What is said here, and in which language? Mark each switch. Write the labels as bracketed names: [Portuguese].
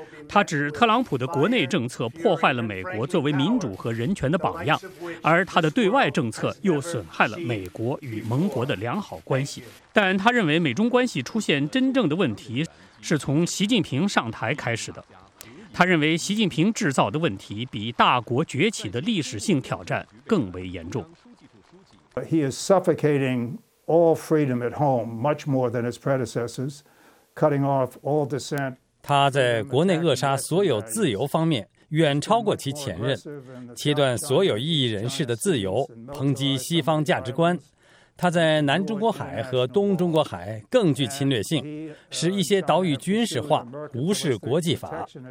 [Chinese] 他指特朗普的国内政策破坏了美国作为民主和人权的榜样，而他的对外政策又损害了美国与盟国的良好关系。但他认为，美中关系出现真正的问题是从习近平上台开始的。他认为习近平制造的问题比大国崛起的历史性挑战更为严重。 [English] He is suffocating all freedom at home much more than his predecessors, cutting off all dissent. [Chinese] 他在国内扼杀所有自由方面远超过其前任，切断所有异议人士的自由，抨击西方价值观。他在南中国海和东中国海更具侵略性，使一些岛屿军事化，无视国际法。